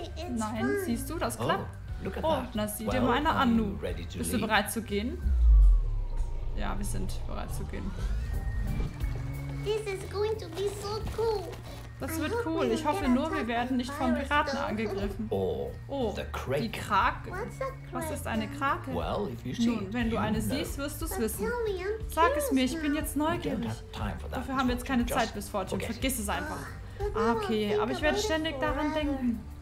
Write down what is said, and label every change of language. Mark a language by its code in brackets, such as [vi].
[de] Nein, siehst du, das klappt. Oh, na sieh dir mal eine an, Nu. Bist du bereit zu gehen? Ja, wir sind bereit zu gehen. [en] This is going to be so cool. [de] Das wird cool. Ich hoffe nur, wir werden nicht von Piraten angegriffen. Oh, die Krake. Was ist eine Krake? Nun, wenn du eine siehst, wirst du es wissen. Sag es mir, ich bin jetzt neugierig. Dafür haben wir jetzt keine Zeit, Miss Fortune. Vergiss es einfach. Ah, okay, aber ich werde ständig daran denken.